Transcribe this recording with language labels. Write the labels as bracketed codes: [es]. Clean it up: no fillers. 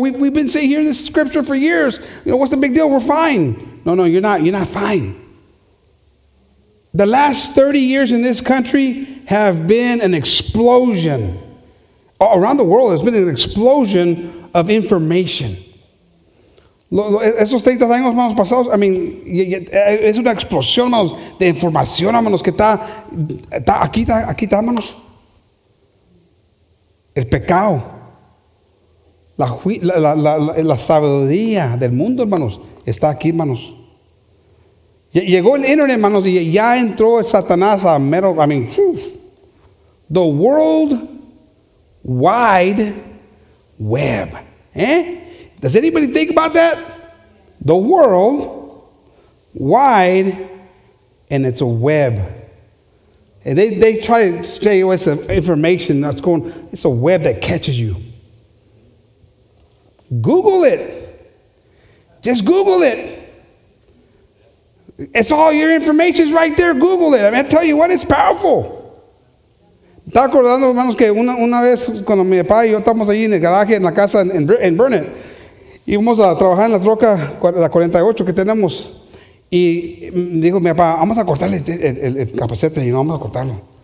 [en] We've been saying here this scripture for years. You know, what's the big deal? We're fine. No, you're not fine. The last 30 years in this country have been an explosion. Around the world, there's been an explosion of information. [es] Esos 30 años, hermanos, pasados, [en] I mean, [es] es una explosión, hermanos, de información, hermanos, que está aquí, hermanos. El pecado. La sabiduría del mundo, hermanos, está aquí, hermanos. Llegó el internet, hermanos, y ya entró el Satanás a mero. [en] I mean, the World Wide Web. ¿Eh? Does anybody think about that? The World Wide, and it's a web. And they try to say, oh, it's information that's going, it's a web that catches you. Google it. Just Google it. It's all your information is right there. Google it. I mean, I tell you what, it's powerful. [es] Está acordando, hermanos, que una vez cuando mi papá y yo estábamos allí en el garaje, en la casa, en Burnett, íbamos a trabajar en la troca, la 48 que tenemos, y dijo mi papá, vamos a cortarle el capacete, y no, vamos a cortarlo.